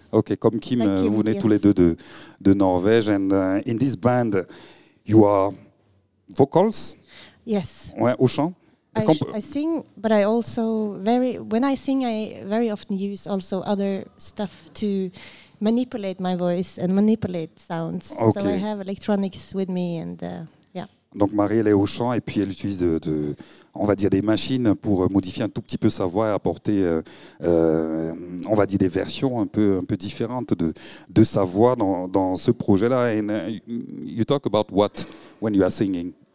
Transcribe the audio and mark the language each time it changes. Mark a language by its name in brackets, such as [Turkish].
[French] Ok, comme Kim, like Kim, vous venez, yes, tous les deux de Norvège. [English] And in this band, you are vocals? Yes. [French] Ouais, au chant? [English] I sing, but I also very, when I sing, I very often use also other stuff to manipulate my voice and manipulate sounds. Okay. So I have electronics with me and yeah. [French] Donc Marie, elle est au chant et puis elle utilise des machines pour modifier un tout petit peu sa voix et apporter, des versions un peu différentes de sa voix dans ce projet-là. [English] And you talk about what when you are singing?